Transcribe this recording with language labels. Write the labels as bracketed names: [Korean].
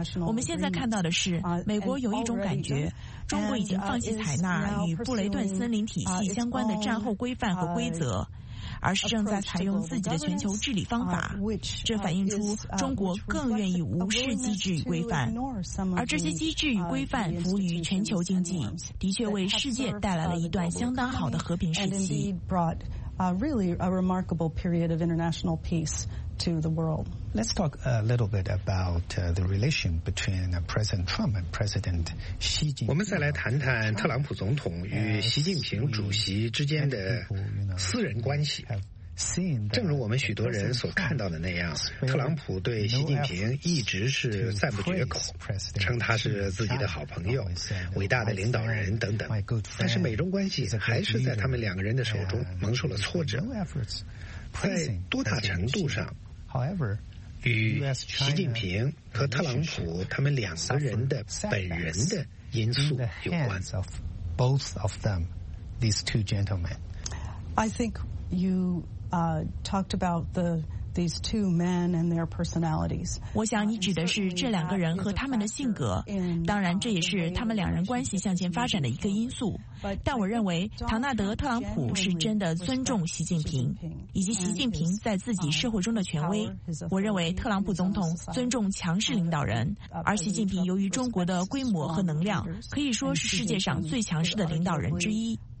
[Chinese] 我们现在看到的是，美国有一种感觉，中国已经放弃采纳与布雷顿森林体系相关的战后规范和规则，而是正在采用自己的全球治理方法，这反映出中国更愿意无视机制与规范，而这些机制与规范服务于全球经济，的确为世界带来了一段相当好的和平时期。 [English] Really a remarkable period of international peace to the world. Let's talk a little bit about the relation between President Trump and President Xi Jinping. [Chinese] 我们再来谈谈特朗普总统与习近平主席之间的私人关系。正如我们许多人所看到的那样，特朗普对习近平一直是赞不绝口，称他是自己的好朋友、伟大的领导人等等。但是美中关系还是在他们两个人的手中蒙受了挫折，在多大程度上与习近平和特朗普他们两个人的本人的因素有关。 [English] Both of them, these two gentlemen, I think youtalked about these two men and their personalities. [Chinese] 我想你指的是这两个人和他们的性格，当然这也是他们两人关系向前发展的一个因素。但我认为唐纳德·特朗普是真的尊重习近平以及习近平在自己社会中的权威。我认为特朗普总统尊重强势领导人，而习近平由于中国的规模和能量，可以说是世界上最强势的领导人之一。